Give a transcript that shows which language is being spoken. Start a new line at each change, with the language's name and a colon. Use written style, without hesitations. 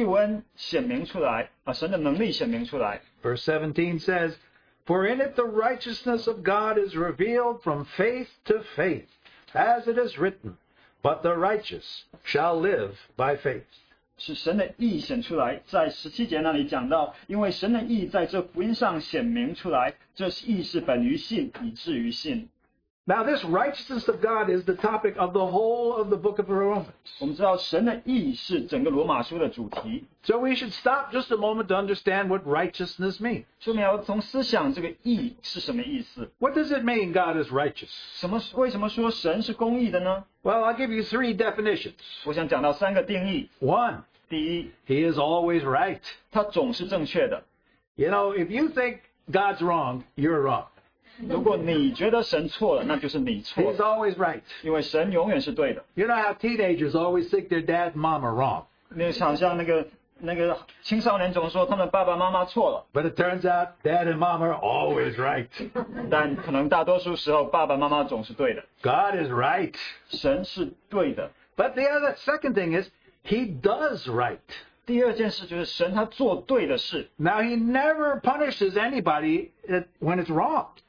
Chinese: 然后是神的救恩显明出来,神的能力显明出来。
English: Verse 17 says, For in it the righteousness of God is revealed from faith to faith, as it is written, But the righteous shall live by faith.
Chinese: 是神的义显出来,在17节那里讲到,因为神的义在这福音上显明出来,这义是本于信,以至于信。
English: Now this righteousness of God is the topic of the whole of the book of Romans.
Chinese: 我们知道神的义是整个罗马书的主题。
English: So we should stop just a moment to understand what righteousness means.
Chinese: 说明要从思想这个义是什么意思。
English: What does it mean God is righteous?
Chinese: 为什么说神是公义的呢?
English: Well, I'll give you three definitions.
Chinese: 我想讲到三个定义。
English: One,
Chinese: 第一,
English: He is always right.
Chinese: 他总是正确的。
English: You know, if you think God's wrong, you're wrong.
Chinese: 如果你觉得神错了,那就是你错了。
English: He's always right.
Chinese: 因为神永远是对的。
English: You know how teenagers always think their dad and mama wrong.
Chinese: 你想像那个青少年总说他们爸爸妈妈错了。
English: But it turns out dad and mama are always right.
Chinese: 但可能大多数时候爸爸妈妈总是对的。
English: God is right.
Chinese: 神是对的。
English: But the other second thing is, he does right.
Chinese: 第二件事就是神他做对的事。
English: Now he never punishes anybody when it's wrong.